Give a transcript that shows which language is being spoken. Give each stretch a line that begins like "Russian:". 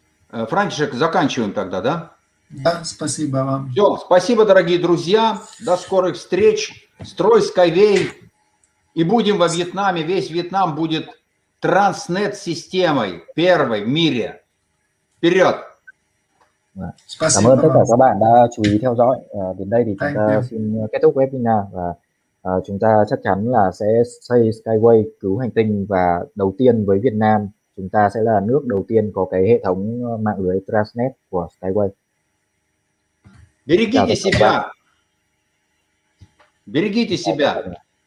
Russian: Франчишек, заканчиваем тогда, да? Да, спасибо вам. Все, спасибо, дорогие друзья. До скорых встреч. Строй Skyway. И будем во Вьетнаме, весь Вьетнам будет Transnet-системой, первой в мире. Вперед! Спасибо.
Vietnamese: Cảm ơn tất cả các bạn đã chú ý theo dõi. Đến đây thì chúng ta xin kết thúc webinar và chúng ta chắc chắn là sẽ xây Skyway cứu hành tinh và đầu tiên với Việt Nam, chúng ta sẽ là nước đầu tiên có cái hệ thống mạng lưới Transnet của Skyway.
Russian: Берегите себя! Берегите себя!